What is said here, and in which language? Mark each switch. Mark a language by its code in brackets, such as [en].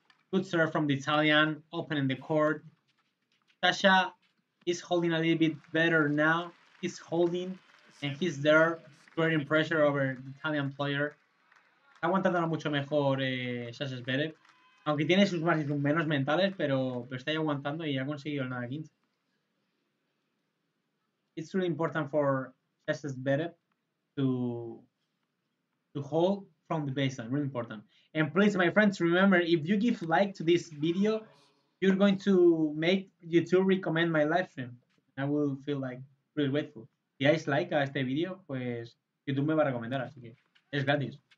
[en] Good serve from the Italian, opening the court. Sasha is holding a little bit better now. He's holding, and he's there, creating pressure over the Italian player. [es] Está aguantando mucho mejor Sasha Zverev. Aunque tiene sus más y sus menos mentales, pero está ahí aguantando y ha conseguido el nada 15. [en] It's really important for Sasha Zverev to hold from the baseline. Really important. And please, my friends, remember, if you give like to this video, you're going to make YouTube recommend my live stream. I will feel like really grateful. [es] Si dais like a este video, pues YouTube me va a recomendar, así que es gratis.